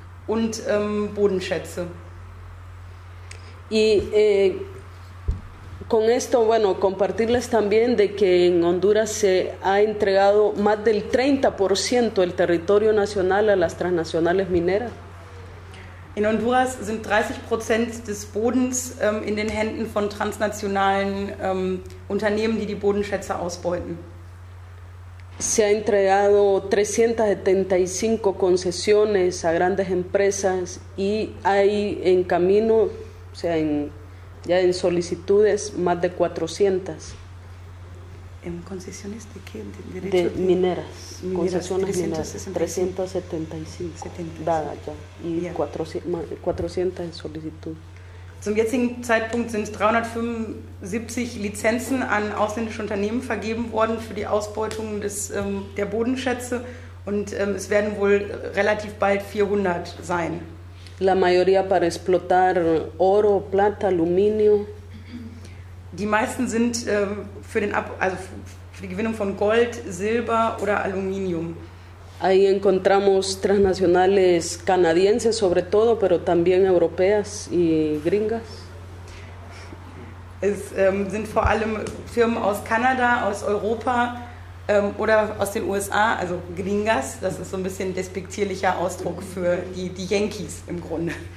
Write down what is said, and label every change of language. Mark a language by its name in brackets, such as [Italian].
[German] Und Bodenschätze. [Spanish] Y con esto, compartirles también de que en Honduras se ha entregado más del 30% del territorio nacional a las transnacionales mineras. [German] In Honduras sind 30% des Bodens in den Händen von transnationalen Unternehmen, die Bodenschätze ausbeuten. [Spanish] Se ha entregado 375 concesiones a grandes empresas y hay en camino, ya en solicitudes, más de 400. concesionista que de mineras, concesiones mineras, 375 dadas ya y 400 en solicitud. [German] Zum jetzigen Zeitpunkt sind 375 Lizenzen an ausländische Unternehmen vergeben worden für die Ausbeutung des, der Bodenschätze und es werden wohl relativ bald 400 sein. [Spanish] La mayoría para explotar oro, plata, aluminio. [German] Die meisten sind für den also für die Gewinnung von Gold, Silber oder Aluminium. [Spanish] Ahí encontramos transnacionales canadienses, sobre todo, pero también europeas y gringas. [German] Es sind vor allem Firmen aus Kanada, aus Europa oder aus den USA, also gringas, das ist so ein bisschen despektierlicher Ausdruck für die Yankees im Grunde.